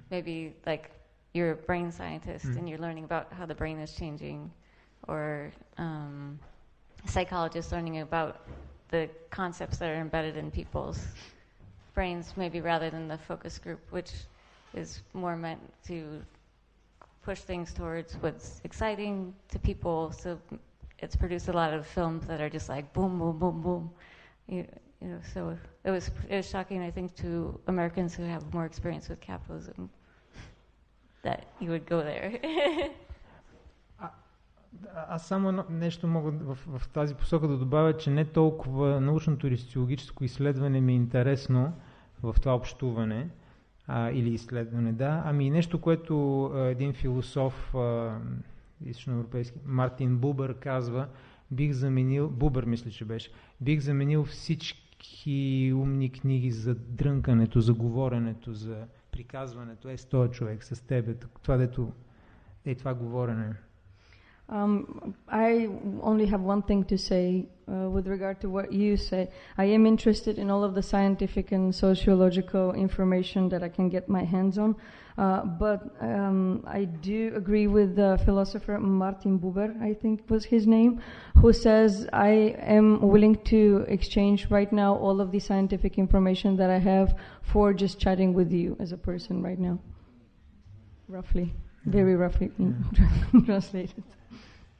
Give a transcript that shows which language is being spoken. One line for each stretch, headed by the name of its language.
English: Maybe like you're a brain scientist and you're learning about how the brain is changing, or a psychologist learning about the concepts that are embedded in people's brains, maybe rather than the focus group, which is more meant to push things towards what's exciting to people. So it's produced a lot of films that are just like boom, boom, boom, boom. You know, so it was shocking, I think, to Americans who have more experience with capitalism that you would go there.
Bulgarian: Аз само нещо мога в тази посока да добавя, че не толкова научното или социологическо изследване ми е интересно в това общуване или изследване, ами нещо, което един философ източноевропейски. Мартин Бубър казва, бих заменил, Бубър мисля, че беше, бих заменил всички умни книги за дрънкането, за говоренето, за приказването, е с този човек, с тебе, това дето, е това говорене.
English: I only have one thing to say with regard to what you say. I am interested in all of the scientific and sociological information that I can get my hands on. But I do agree with the philosopher Martin Buber, I think was his name, who says, I am willing to exchange right now all of the scientific information that I have for just chatting with you as a person right now. Roughly, very roughly, yeah. Translated.